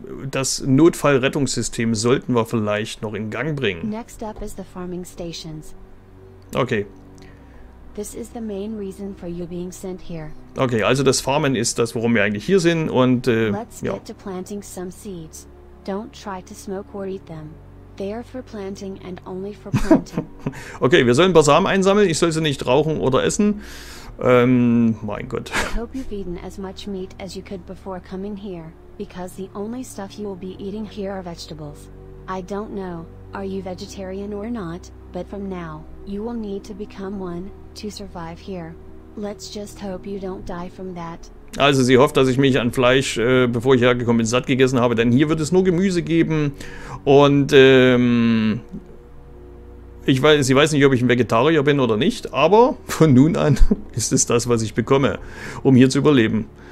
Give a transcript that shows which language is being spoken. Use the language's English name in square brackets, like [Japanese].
[German] Das Notfallrettungssystem sollten wir vielleicht noch in Gang bringen. [English] Next up is the farming stations. Okay. This is the main reason for you being sent here. [German] Okay, also das Farmen ist das, warum wir eigentlich hier sind und [English] Let's get to planting some seeds. Don't try to smoke or eat them. They are for planting and only for planting. [German] Okay, wir sollen ein paar Samen einsammeln. Ich soll sie nicht rauchen oder essen. Mein Gott. [English] I hope you've eaten as much meat as you could before coming here. Because the only stuff you will be eating here are vegetables. I don't know, are you vegetarian or not, but from now, you will need to become one, to survive here. Let's just hope you don't die from that. [German] Also sie hofft, dass ich mich an Fleisch, bevor ich hergekommen bin, satt gegessen habe, denn hier wird es nur Gemüse geben. Und sie weiß nicht, ob ich ein Vegetarier bin oder nicht, aber von nun an ist es das, was ich bekomme, um hier zu überleben.